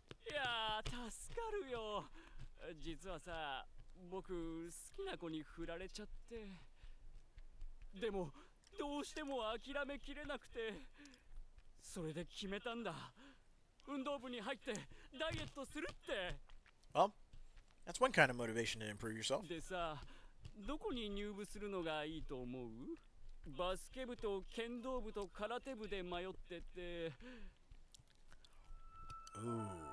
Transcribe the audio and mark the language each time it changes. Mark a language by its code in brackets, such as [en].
[ja] いや助かるよ。実はさ、僕好きな子に振られちゃって、でもどうしても諦めきれなくて、それで決めたんだ、運動部に入ってダイエットするって。 [en] あ、That's one kind of motivation to improve yourself. [ja] でさ、どこに入部するのがいいと思う？バスケ部と剣道部と空手部で迷ってて。 [en] Ooh.